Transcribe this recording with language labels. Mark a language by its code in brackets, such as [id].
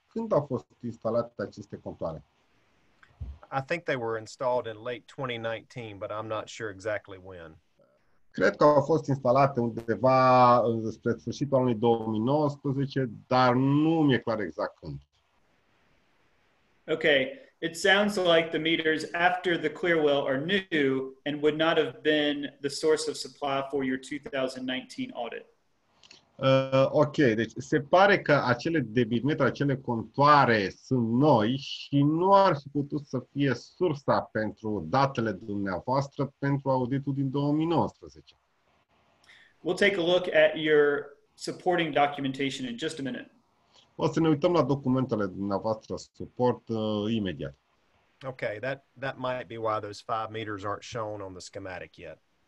[ro] Când au fost instalate aceste contoare? [en] I think they were installed in late 2019, but I'm not sure exactly when. [ro] Cred că au fost instalate undeva spre sfârșitul anului 2019, dar nu mi-e clar exact când. [en] Okay, it sounds like the meters after the clear well are new and would not have been the source of supply for your 2019 audit. [ro] Ok, deci se pare că acele debitmetre, acele contoare sunt noi și nu ar fi putut să fie sursa pentru datele dumneavoastră pentru auditul din 2019. [en] We'll take a look at your supporting documentation in just a minute. [ro] O să ne uităm la documentele dumneavoastră suport imediat. [en] Ok, that might be why those 5 meters aren't shown on the schematic yet.